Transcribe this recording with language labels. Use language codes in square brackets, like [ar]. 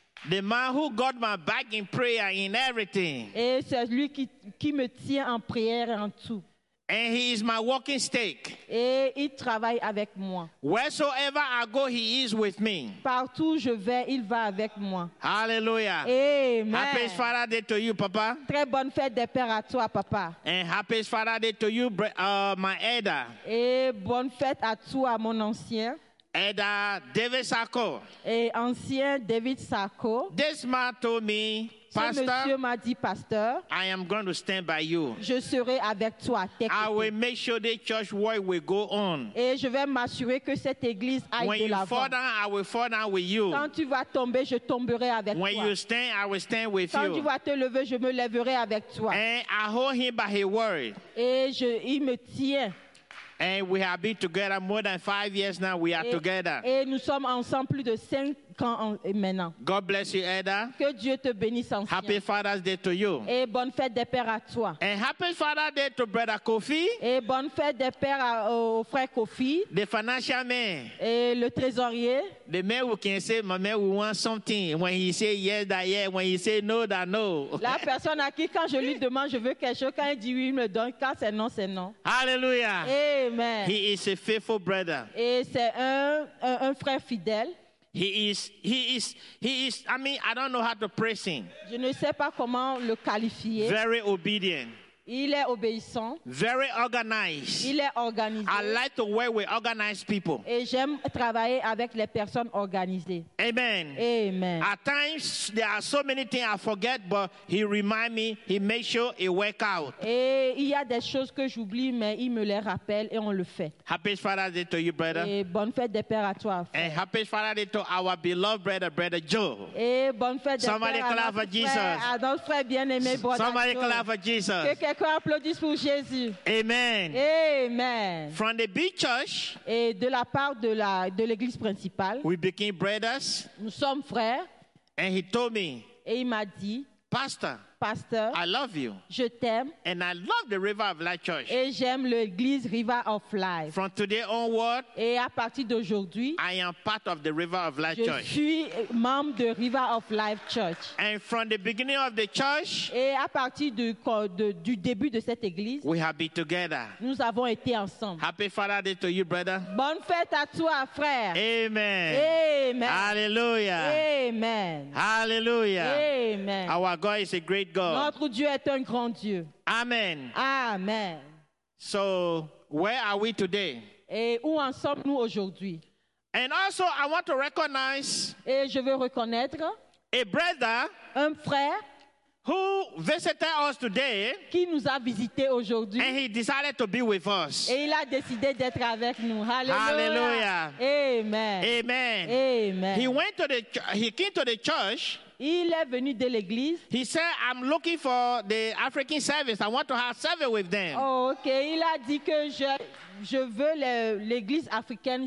[en] The man who got my back in prayer in everything. [fr] Et c'est lui qui me tient en prière en tout. [en] And he is my walking stick. [fr] Et il travaille avec moi. [en] Wheresoever I go, he is with me. [fr] Partout je vais, il va avec moi. [en] Hallelujah. Amen. Happy Father Day to you, Papa. [fr] Très bonne fête des pères à toi, Papa. [en] And happy Father Day to you, my Ada. [fr] Et bonne fête à toi, mon ancien. [en] And David Sarko. [fr] Et ancien David Sarko. [en] This man told me, Pastor, [fr] ce monsieur m'a dit, Pasteur, [en] I am going to stand by you. [fr] Je serai avec toi. [en] I will make sure the church work will go on. [fr] Et je vais m'assurer que cette église aille [en] when [fr] de l'avant. [en] When you fall down, I will fall down with you. [fr] Quand tu vas tomber, je tomberai avec [en] when [fr] toi. [en] When you stand, I will stand with [fr] quand [en] you. [fr] Quand tu vas te lever, je me lèverai avec toi. [en] And I hold him by his word. [fr] Et il me tient. [en] And we have been together more than 5 years now. We are together. [fr] Et nous sommes ensemble plus de 5 ans maintenant. [en] God bless you, Ada. [fr] Que Dieu te bénisse, ancien. [en] Happy Father's Day to you. [fr] Et bonne fête des pères à toi. [en] And happy Father's Day to Brother Kofi. [fr] Et bonne fête des pères au frère Kofi. [en] The financial man. [fr] Et le trésorier. [en] The man who can say, my man, we want something. When he say yes, that yes. When he say no, that no. [fr] La personne à qui, quand je lui demande, je veux quelque chose, quand il dit oui, il me donne. Quand c'est non, c'est non. [en] Hallelujah. Amen. He is a faithful brother. [fr] Et c'est un frère fidèle. [en] He is. I mean, I don't know how to praise him. [fr] Je ne sais pas comment le qualifier. [en] Very obedient. [fr] Il est obéissant. [en] Very organized. [fr] Il est organisé. [en] I like to work with organized people. [fr] Et j'aime travailler avec les personnes organisées. [en] Amen. Amen. At times there are so many things I forget, but he reminds me, he makes sure it works out. [fr] Et il y a des choses que j'oublie, mais il me les rappelle et on le fait. [en] Happy Father's Day to you, brother. [fr] Et bonne fête des pères à toi. Frère. [en] And happy Father's Day to our beloved brother, brother Joe. [fr] Et bonne fête des [en] Somebody [fr] pères [en] clap [fr] à, notre [en] Jesus. [fr] Frère, à notre frère bien-aimé, brother [en] Somebody Joe. Clap for Jesus. [fr] Quelqu'un applaudisse pour Jésus. [en] Amen. Amen. From the big church, [fr] et de la part de la de l'église principale, [en] we became brothers. [fr] Nous sommes frères. [en] And he told me. [fr] Et il m'a dit. [en] Pastor. [fr] Pasteur. [en] I love you. [fr] Je t'aime. [en] And I love the River of Life Church. [fr] Et j'aime l'église River of Life. [en] From today onward, [fr] et à partir d'aujourd'hui, [en] I am part of the River of Life [fr] je [en] Church. [fr] Je suis membre de River of Life Church. [en] And from the beginning of the church, [fr] et à partir du début de cette église, [en] we have been together. [fr] Nous avons été ensemble. [en] Happy Father's Day to you, brother. [fr] Bonne fête à toi, frère. [en] Amen. Amen. Hallelujah. Amen. Hallelujah. Amen. Our God is a great God. [fr] Notre Dieu est un grand Dieu. [en] Amen. Amen. So, where are we today? [fr] Et où en sommes-nous aujourd'hui? [en] And also, I want to recognize [fr] et je veux reconnaître [en] a brother [fr] un frère [en] who visited us today [fr] qui nous a visité aujourd'hui [en] and he decided to be with us. [fr] Et il a décidé d'être avec nous. Hallelujah. [en] Hallelujah. Amen. Amen. Amen. He went to the he came to the church. [fr] Il est venu de l'église. [en] He said, I'm looking for the African service. I want to have service with them. Oh, OK. [fr] Il a dit que je veux l'église africaine.